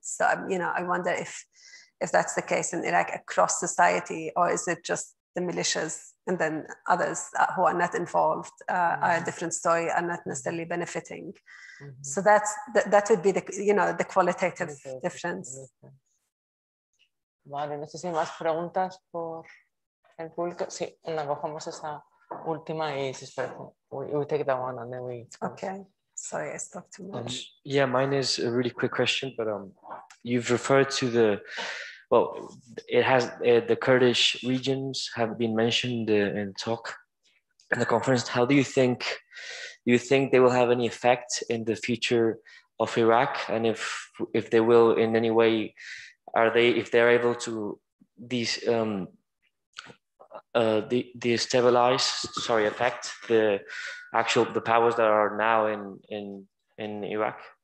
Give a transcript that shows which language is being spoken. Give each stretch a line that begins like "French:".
English: So, you know, I wonder if that's the case in Iraq across society, or is it just the militias and then others who are not involved, mm-hmm, are a different story, are not necessarily benefiting. Mm-hmm. So that's that would be the, you know, the qualitative difference.
Spanish: Vale, no sé si hay más preguntas por el público. Sí, la cogemos esa última y si es perfecto.
English: We take that one and then we... Okay, sorry, I spoke too much. Yeah, mine is a really quick question, but you've referred to the... Well, it has the Kurdish regions have been mentioned in the talk. in the conference. How do you think they will have any effect in the future of Iraq, and if they will in any way, are they, if they're able to destabilize, sorry, affect the actual powers that are now in Iraq?